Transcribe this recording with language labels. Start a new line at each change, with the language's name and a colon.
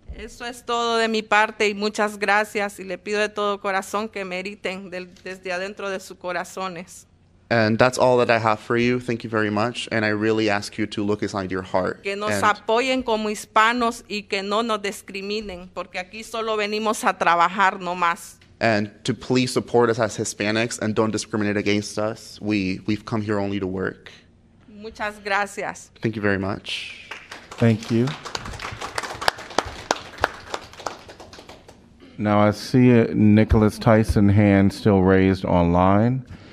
Spanish: Eso es todo de mi parte y muchas gracias y le pido de todo corazón que meriten desde adentro de sus corazones.
English: And that's all that I have for you. Thank you very much. And I really ask you to look inside your heart.
Spanish: Que nos apoyen como hispanos y que no nos discriminen, porque aquí solo venimos a trabajar, no más.
English: And to please support us as Hispanics and don't discriminate against us. We've come here only to work.
Spanish: Muchas gracias.
English: Thank you very much. Thank you. Now I see Nicholas Tyson's hand still raised online.